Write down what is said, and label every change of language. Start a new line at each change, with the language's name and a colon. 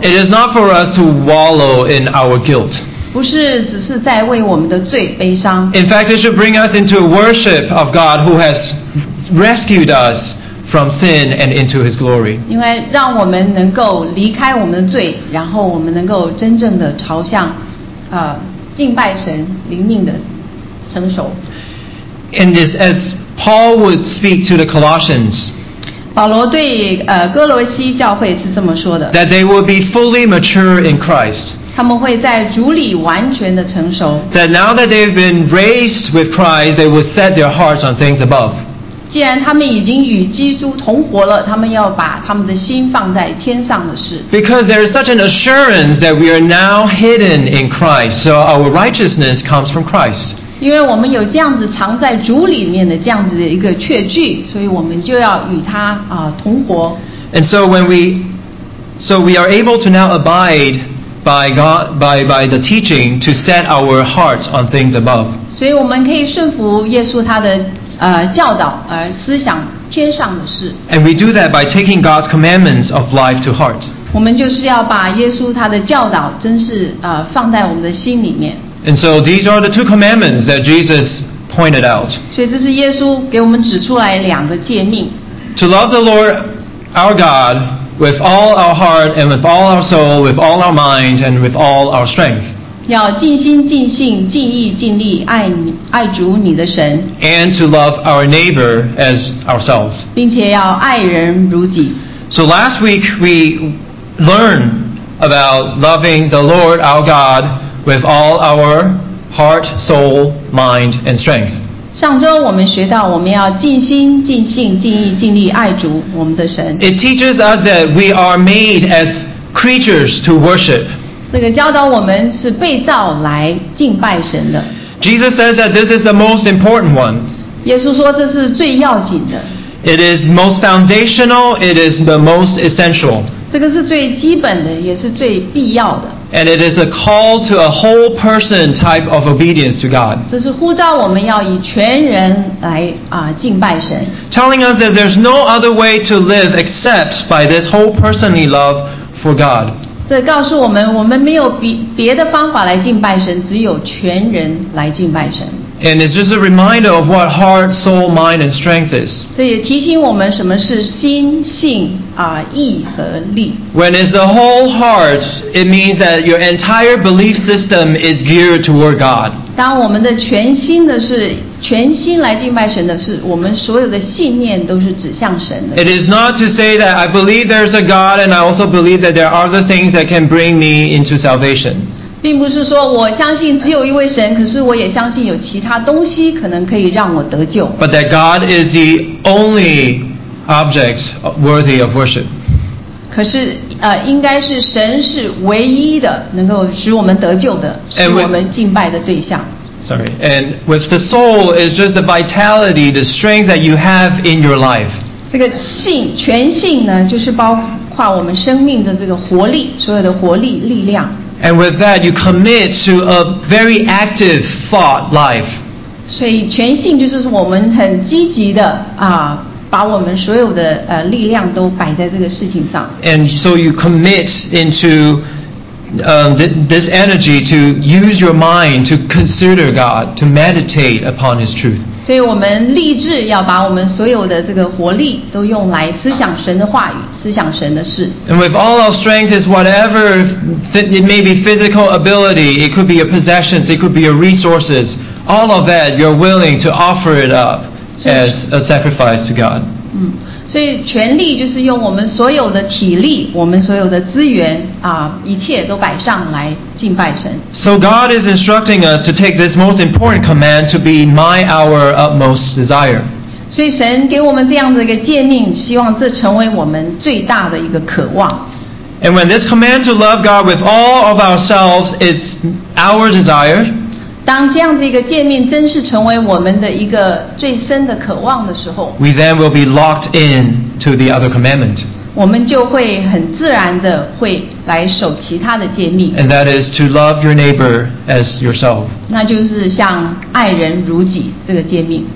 English: It is not for us to wallow in our guilt.
Chinese: 不是只是在为我们的罪悲伤。
English: In fact, it should bring us into worship of God who has rescued us from sin and into His glory.
Chinese: 应该让我们能够离开我们的罪，然后我们能够真正的朝向敬拜神，灵命的成熟。
English: And this, as Paul would speak to the Colossians,
Chinese: 保罗对哥罗西教会是这么说的，
English: that they will be fully mature in Christ.
Chinese: 他们会在主里完全的成熟。
English: That now that they've been raised with Christ, they will set their hearts on things above.
Chinese: 既然他们已经与基督同活了，他们要把他们的心放在天上的事。
English: Because there is such an assurance that we are now hidden in Christ, so our righteousness comes from Christ.
Chinese: 因为我们有这样子藏在主里面的这样子的一个确据，所以我们就要与他同活。
English: And so when we are able to now abide by God by the teaching to set our hearts on things above.
Chinese: 所以我们可以顺服耶稣他的教导而思想天上的事。
English: And we do that by taking God's commandments of life to heart.
Chinese: 我们就是要把耶稣他的教导真是放在我们的心里面。
English: And so these are the two commandments that Jesus pointed out.
Chinese: 所以这是耶稣给我们指出来两个诫命。
English: To love the Lord our God with all our heart and with all our soul, with all our mind and with all our strength.
Chinese: 要尽心尽性尽意尽力爱主你的神。
English: And to love our neighbor as ourselves.
Chinese: 并且要爱人如己。
English: So last week we learned about loving the Lord our God with all our heart, soul, mind, and strength.
Chinese: 上周我们学到我们要尽心、尽性、尽意、尽力爱主我们的神。
English: It teaches us that we are made as creatures to worship.
Chinese: 这个教导我们是被造来敬拜神的。
English: Jesus says that this is the most important one.
Chinese: 耶稣说这是最要紧的。
English: It is most foundational, it is the most essential.
Chinese: 这个是最基本的，也是最必要的。
English: And it is a call to a whole person type of obedience to God.
Chinese: 这是呼召我们要以全人来敬拜神。
English: Telling us that there's no other way to live except by this whole personly love for God.
Chinese: 这告诉我们，我们没有别的方法来敬拜神，只有全人来敬拜神。
English: And it's just a reminder of what heart, soul, mind, and strength is.
Chinese: 这也提醒我们什么是心性意和力。
English: When it's the whole heart, it means that your entire belief system is geared toward God.
Chinese: 当我们的全心的是全心来敬拜神的是我们所有的信念都是指向神的。
English: It is not to say that I believe there's a God and I also believe that there are other things that can bring me into salvation.
Chinese: 并不是说我相信只有一位神，可是我也相信有其他东西可能可以让我得救。
English: But that God is the only object worthy of worship.
Chinese: 可是应该是神是唯一的能够使我们得救的，使我们敬拜的对象。
English: Sorry, and with the soul is just the vitality, the strength that you have in your life.
Chinese: 这个性全性呢，就是包括我们生命的这个活力，所有的活力力量。
English: And with that, you commit to a very active thought life.
Chinese: 所以全性就是我们很积极的把我们所有的力量都摆在这个事情上。
English: And so you commit into this energy to use your mind to consider God, to meditate upon His truth.
Chinese: 所以我们立志要把我们所有的这个活力都用来思想神的话语。
English: And with all our strength is whatever it may be physical ability, it could be your possessions, it could be your resources, all of that you're willing to offer it up as a sacrifice to God.
Chinese: 所以全力就是用我们所有的体力，我们所有的资源一切都摆上来敬拜神。
English: So God is instructing us to take this most important command to be my our utmost desire.
Chinese: 所以神给我们这样的一个诫命，希望这成为我们最大的一个渴望。
English: And when this command to love God with all of ourselves is our desire,
Chinese: 当这样的一个诫命真是成为我们的一个最深的渴望的时候，
English: we then will be locked in to the other commandment.
Chinese: 我们就会很自然的会来守其他的诫命。
English: And that is to love your neighbor as yourself.
Chinese: 那就是像爱人如己这个诫命。